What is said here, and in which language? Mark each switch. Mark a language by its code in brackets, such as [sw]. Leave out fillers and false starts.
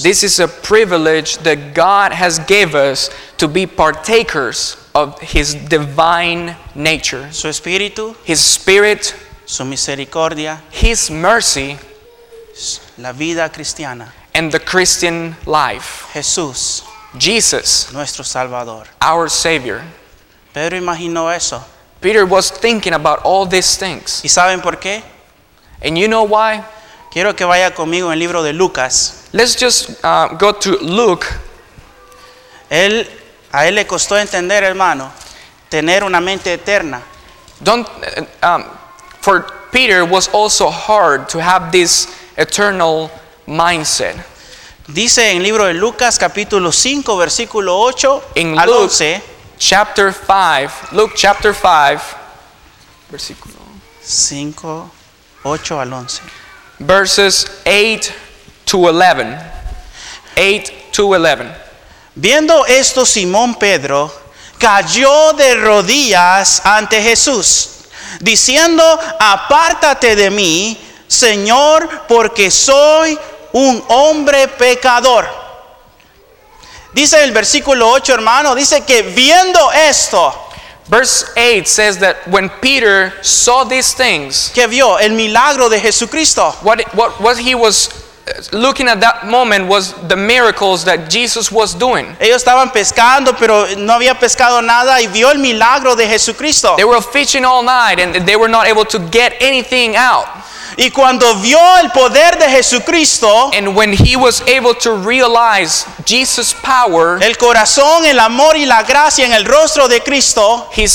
[en] This is a privilege that God has given us to be partakers of His divine nature. [es] Su espíritu. [en] His spirit. [es] Su misericordia. [en] His mercy. [es] La vida cristiana. [en] And the Christian life. [es] Jesús. [en] Jesus. [es] Nuestro Salvador. [en] Our Savior. [es] Pedro imaginó eso. [en] Peter was thinking about all these things. [es] ¿Y saben por qué? [en] And you know why? [es] Quiero que vaya conmigo en el libro de Lucas. [en] Let's just go to Luke. [es] A él le costó entender, hermano, tener una mente eterna. [en] Don't for Peter was also hard to have this eternal mindset. [es] Dice en el libro de Lucas capítulo 5 versículo 8 [en] in [es] al [en] Luke, 11. Chapter 5, Luke chapter 5 versículo [es] 5 8 al 11. [en] Verses 8 to 11. 8 to 11. [es] Viendo esto, Simón Pedro cayó de rodillas ante Jesús, diciendo, apártate de mí, Señor, porque soy un hombre pecador. Dice el versículo 8, hermano, dice que viendo esto. [en] Verse 8 says that when Peter saw these things. [es] Que vio el milagro de Jesucristo. [en] What he was looking at that moment was the miracles that Jesus was doing. [es] Ellos estaban pescando, pero no había pescado nada, y vio el milagro de Jesucristo. [en] They were fishing all night and they were not able to get anything out. [es] Y cuando vio el poder de Jesucristo, [en] and when he was able to realize Jesus' power, [es] el corazón, el amor y la gracia en el rostro de Cristo,